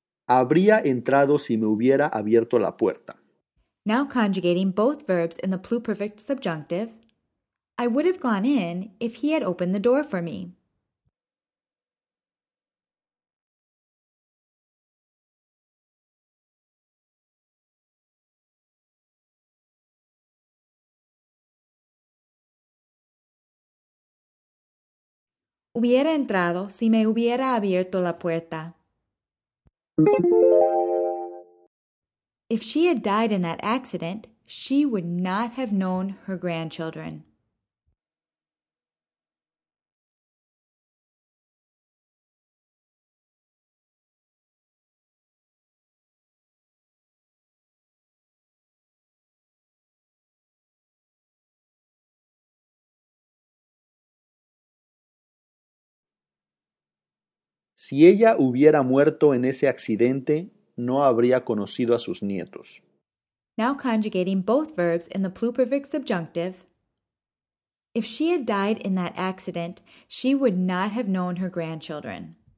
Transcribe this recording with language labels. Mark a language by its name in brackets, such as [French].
[Spanish] Habría entrado si me hubiera abierto la puerta. [English] Now conjugating both verbs in the pluperfect subjunctive, I would have gone in if he had opened the door for me. [Spanish] Hubiera entrado si me hubiera abierto la puerta. [English] If she had died in that accident, she would not have known her grandchildren. [Spanish] Si ella hubiera muerto en ese accidente, no habría conocido a sus nietos. [English] Now conjugating both verbs in the pluperfect subjunctive. If she had died in that accident, she would not have known her grandchildren.